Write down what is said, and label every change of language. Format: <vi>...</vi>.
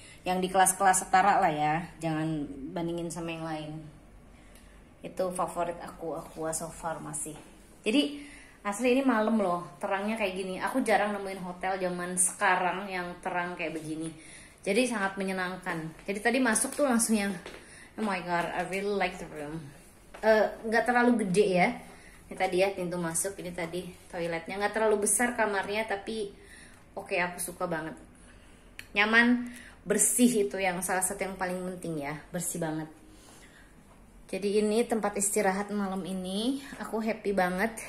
<id>Yang di kelas-kelas setara lah ya, jangan bandingin sama yang lain. Itu favorit aku, Aqua so far masih. Jadi asli ini malam loh, terangnya kayak gini. Aku jarang nemuin hotel zaman sekarang yang terang kayak begini. Jadi sangat menyenangkan. Jadi tadi masuk tuh langsung yang,</id> <en>oh my god, I really like the room.</en> <id>Gak terlalu gede ya. Ini tadi ya pintu masuk, ini tadi toiletnya. Gak terlalu besar kamarnya, tapi oke, aku suka banget. Nyaman, bersih itu yang salah satu yang paling penting ya. Bersih banget. Jadi ini tempat istirahat malam ini, aku happy banget.</id>